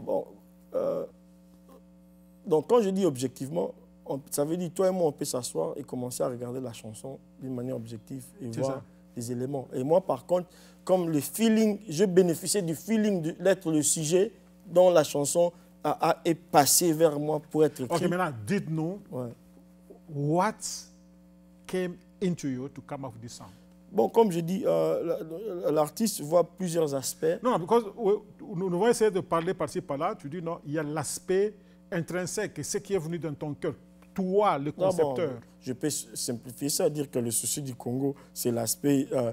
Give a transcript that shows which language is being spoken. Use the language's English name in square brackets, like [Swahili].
[French] Bon, quand je dis objectivement, ça veut dire toi et moi, on peut s'asseoir et commencer à regarder la chanson d'une manière objective et les éléments. Et moi, par contre, comme le feeling, je bénéficiais du feeling de l'être le sujet dont la chanson est passée vers moi pour être écrite. Ok, maintenant, dites-nous, [English] what came into you to come up with this song? [French] Bon, comme je dis, l'artiste voit plusieurs aspects. Non, parce que nous avons essayé de parler par-ci, par-là, tu dis non, il y a l'aspect intrinsèque, ce qui est venu dans ton cœur. Toi, le concepteur. Non, je peux simplifier ça, dire que le souci du Congo, c'est l'aspect...